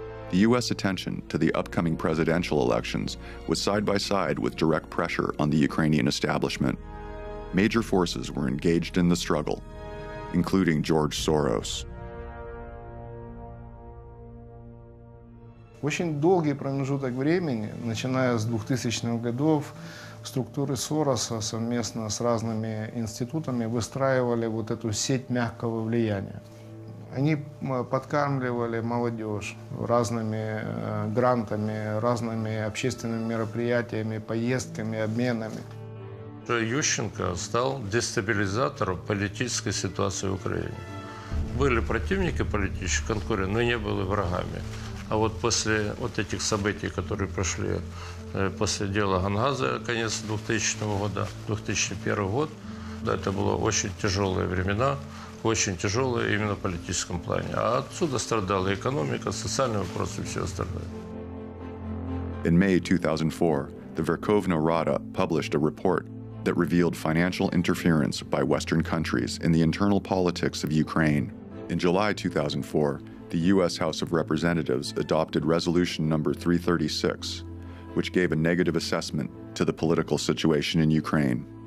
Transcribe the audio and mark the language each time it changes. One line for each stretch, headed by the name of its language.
English: The U.S. attention to the upcoming presidential elections was side by side with direct pressure on the Ukrainian establishment. Major forces were engaged in the struggle, including George Soros.
Russian: Очень долгий промежуток времени, начиная с 2000-х годов, структуры Сороса совместно с разными институтами выстраивали вот эту сеть мягкого влияния. Они подкармливали молодежь разными грантами, разными общественными мероприятиями, поездками, обменами. Ющенко стал дестабилизатором политической ситуации в Украине. Были противники политических конкурентов, но не были врагами. А вот после вот этих событий, которые прошли после дела Гангаза, конец 2000 года, 2001 год, да, это было очень тяжелые времена, очень тяжелые именно в политическом плане. А отсюда страдала экономика, социальные вопросы и все остальное.
English: In May 2004, the Верховна Рада published a report that revealed financial interference by Western countries in the internal politics of Ukraine. In July 2004, the U.S. House of Representatives adopted Resolution Number 336, which gave a negative assessment to the political situation in Ukraine.